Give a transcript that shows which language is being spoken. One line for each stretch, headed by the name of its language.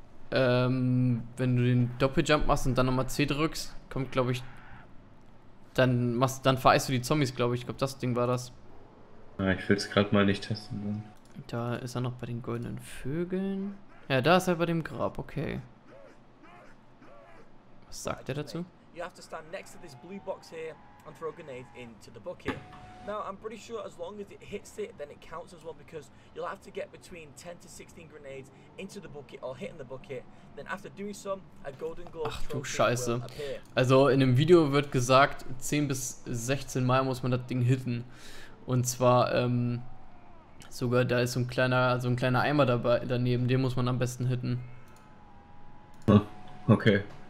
German: Wenn du den Doppeljump machst und dann nochmal C drückst, kommt, glaube ich, dann vereist du die Zombies, glaube ich. Ich glaube, das Ding war das. Ja, ich will es gerade mal nicht testen. Dann. Da ist er noch bei den goldenen Vögeln. Ja, da ist er bei dem Grab, okay. Was sagt er dazu?
English: You have to stand next to this blue box here and throw a grenade into the bucket. Now, I'm pretty sure as long as it hits it, then it counts as well, because you'll have to get between 10 to 16 grenades into the bucket or hitting the bucket. Then after doing some, a golden glove.
German: Ach du Scheiße. Also in dem Video wird gesagt, 10 bis 16 Mal muss man das Ding hitten. Und zwar sogar da ist so ein kleiner Eimer dabei daneben, den muss man am besten hitten. Okay.